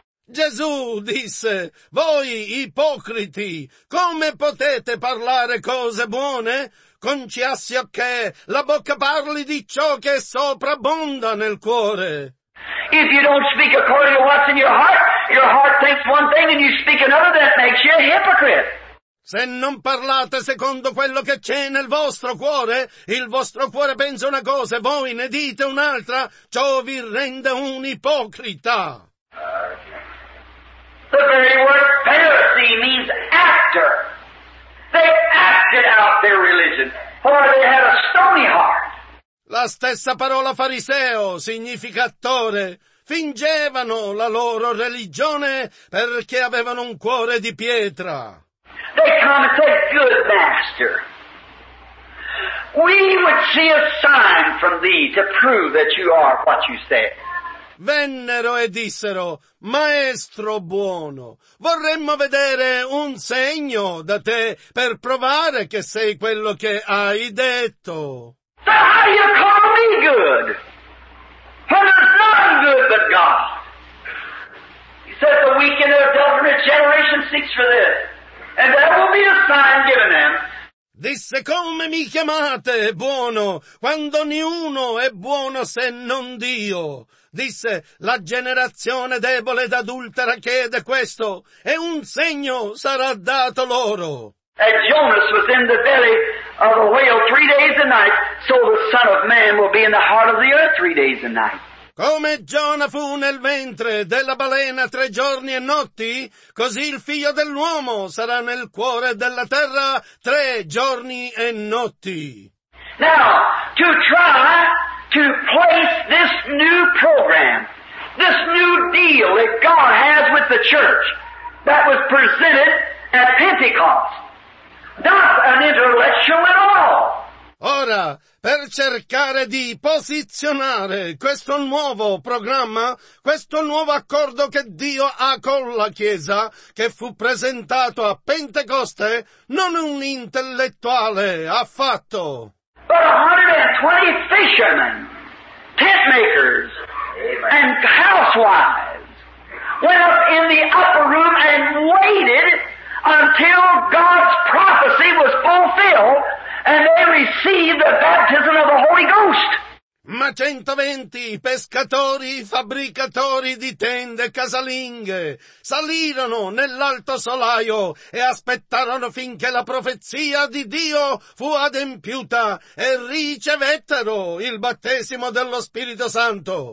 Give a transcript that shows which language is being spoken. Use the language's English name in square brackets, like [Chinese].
[Italian] Gesù disse, voi ipocriti, come potete parlare cose buone? Conciassio che la bocca parli di ciò che soprabbonda nel cuore. [English] If you don't speak according to what's in your heart thinks one thing and you speak another, that makes you a hypocrite. [Italian] Se non parlate secondo quello che c'è nel vostro cuore, il vostro cuore pensa una cosa e voi ne dite un'altra, ciò vi rende un ipocrita. [English] The very word Pharisee means actor. They acted out their religion, for they had a stony heart. [Italian] La stessa parola fariseo significa attore. Fingevano la loro religione perché avevano un cuore di pietra. [English] They come and say, good master, we would see a sign from thee to prove that you are what you say. [Italian] Vennero e dissero, maestro buono, vorremmo vedere un segno da te per provare che sei quello che hai detto. [English] So how you call me good? When there's none good but God. He said, the weak and the adulterous generation seeks for this. And there will be a sign given them. [Italian] Disse, come mi chiamate buono, quando niuno è buono se non Dio. Disse, la generazione debole ed adultera chiede questo, e un segno sarà dato loro. [English] And Jonas was in the belly of a whale 3 days and night, so the Son of Man will be in the heart of the earth 3 days and night. [Italian] Come Giona fu nel ventre della balena 3 giorni e notti, così il figlio dell'uomo sarà nel cuore della terra 3 giorni e notti. [English] Now, to try to place this new program, this new deal that God has with the church that was presented at Pentecost, not an intellectual at all. [Italian] Ora, per cercare di posizionare questo nuovo programma, questo nuovo accordo che Dio ha con la Chiesa, che fu presentato a Pentecoste, non un intellettuale affatto. [English] But 120 fishermen, tent makers, and housewives went up in the upper room and waited until God's prophecy was fulfilled. And they received the baptism of the Holy Ghost. [Italian] Ma 120 pescatori, fabbricatori di tende casalinghe, salirono nell'alto solaio e aspettarono finché la profezia di Dio fu adempiuta e ricevettero il battesimo dello Spirito Santo.